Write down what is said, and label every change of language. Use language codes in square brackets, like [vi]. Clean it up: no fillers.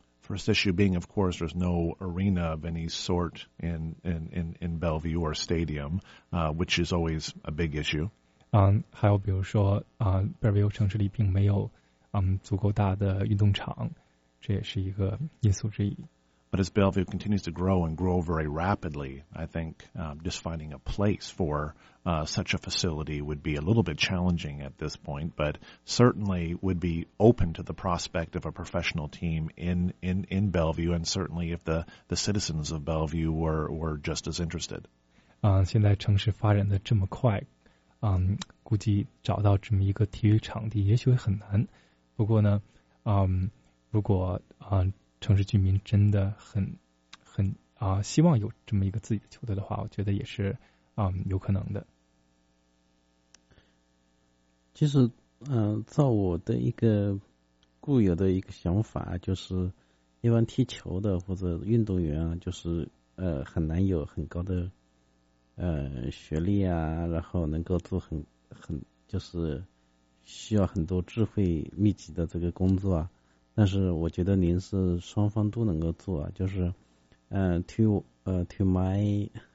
[en] First issue being, of course, there's no arena of any sort in Bellevue or stadium, which is always a big issue. [zh] 还有比如说贝尔维尤城市里并没有足够大的运动场，这也是一个因素之一。 [en] But as Bellevue continues to grow and grow very rapidly, I think just finding a place for such a facility would be a little bit challenging at this point, but certainly would be open to the prospect of a professional team in Bellevue, and certainly if the citizens of Bellevue were just as interested. [zh] 现在城市发展的这么快，估计找到这么一个体育场地也许会很难。不过呢，如果城市居民真的很希望有这么一个自己的球队的话，我觉得也是有可能的。其实照我的一个固有的一个想法，就是一般踢球的或者运动员啊，就是很难有很高的学历啊，然后能够做很就是需要很多智慧密集的这个工作啊，但是我觉得您是双方都能够做啊，就是 [en] to my